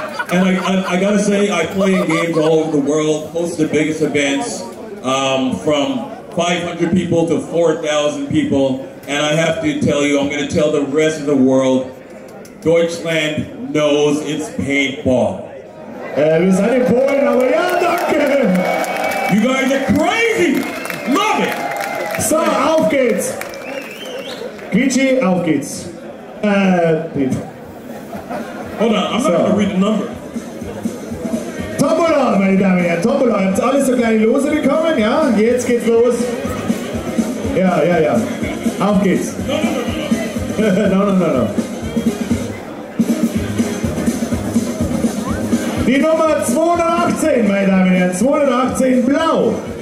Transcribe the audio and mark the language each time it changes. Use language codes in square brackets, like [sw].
[en] And I gotta say, I play in games all over the world, host the biggest events, from 500 people to 4,000 people. And I have to tell you, I'm going to tell the rest of the world, Deutschland knows it's paintball. [de] Wir sind in Polen, aber ja, danke! [en] You guys are crazy! Love it! [de] So, auf geht's! Gucci, auf geht's! [en] Hold on, I'm not going to read the number. [de] Tombola, meine Damen und Herren, Tombola. Ihr habt alle so kleine Lose bekommen, ja? Jetzt geht's los. Ja. Auf geht's! [en] No. [de] Die Nummer 218, meine Damen und Herren, 218 blau!